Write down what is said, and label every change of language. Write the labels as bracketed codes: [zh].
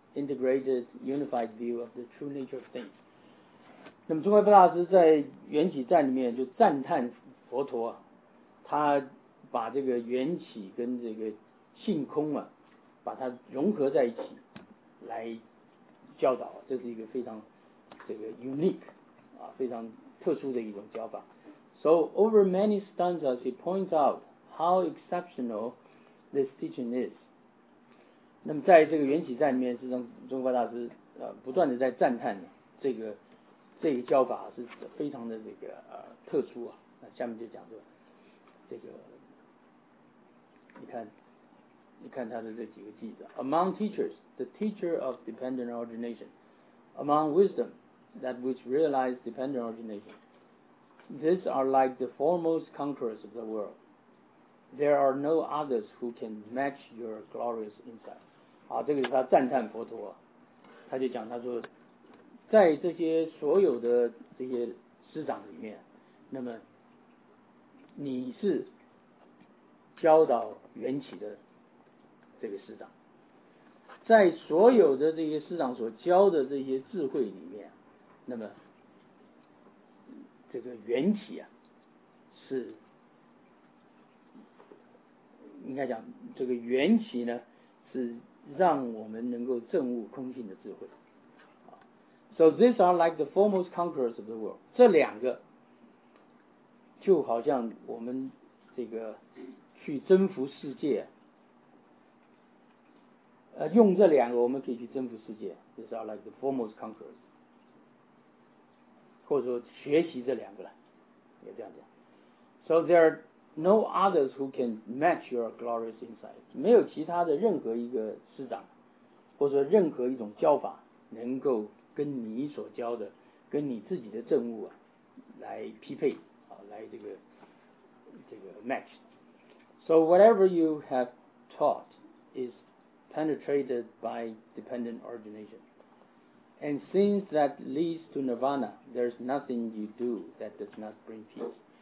[en] integrated, unified view of the true nature of things. [zh] 那么中怀布大师在缘起赞里面就赞叹佛陀，他把这个缘起跟这个性空啊，把它融合在一起来教导，这是一个非常这个 unique 啊，非常特殊的一种教法。 [en] So over many stanzas, he points out how exceptional this teaching is. [zh] 那么在这个缘起赞里面，实际上中怀布大师不断的在赞叹这个教法是非常的这个特殊啊。那下面就讲说这个，你看他的这几个句子 [en] ：Among teachers, the teacher of dependent origination, among wisdom, that which realizes dependent origination. These are like the foremost conquerors of the world. There are no others who can match your glorious insight. [zh] 好，这个是他赞叹佛陀，他就讲，他说，在这些所有的这些师长里面，那么你是教导缘起的这个师长，在所有的这些师长所教的这些智慧里面，那么这个缘起啊，是应该讲，这个缘起呢，是让我们能够证悟空性的智慧。 [en] So these are like the foremost conquerors of the world. [zh] 这两个就好像我们这个去征服世界，用这两个我们可以去征服世界。 [en] These are like the foremost conquerors. [zh] 或者说学习这两个了，也这样讲。 [en] So there are no others who can match your glorious insight. [zh] 没有其他的任何一个师长，或者说任何一种教法，能够跟你所教的，跟你自己的证悟啊，来匹配啊，来这个 match. [en] So whatever you have taught is penetrated by dependent origination. And since that leads to nirvana, there's nothing you do that does not bring peace.